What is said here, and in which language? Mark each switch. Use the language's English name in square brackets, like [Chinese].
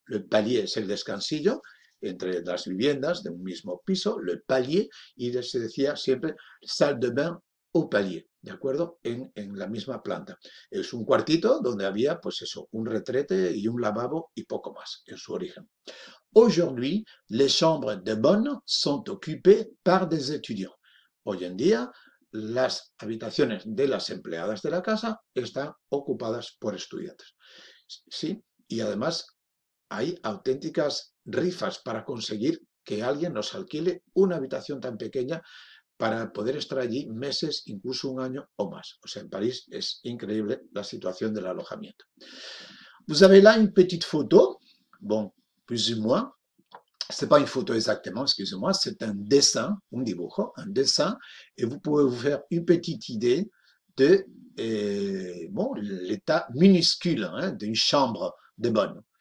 [Spanish] Le palier es el descansillo entre las viviendas de un mismo piso, le palier, y se decía siempre [French] salle de bain au palier, [Spanish] ¿de acuerdo? En la misma planta. Es un cuartito donde había, pues eso, un retrete y un lavabo y poco más en su origen. [French] Aujourd'hui, les chambres de bonne sont occupées par des étudiants. [Spanish] Hoy en día, las habitaciones de las empleadas de la casa están ocupadas por estudiantes. Sí, y además hay auténticas rifas para conseguir que alguien nos alquile una habitación tan pequeña para poder estar allí meses, incluso un año o más. O sea, en París es increíble la situación del alojamiento. [French] Vous avez là une petite photo, bon, plus ou moins. C'est pas une photo exactement, excusez-moi, c'est un dessin, un dibujo, un dessin, et vous pouvez vous faire une petite idée de bon, l'état minuscule hein, d'une chambre de bonne.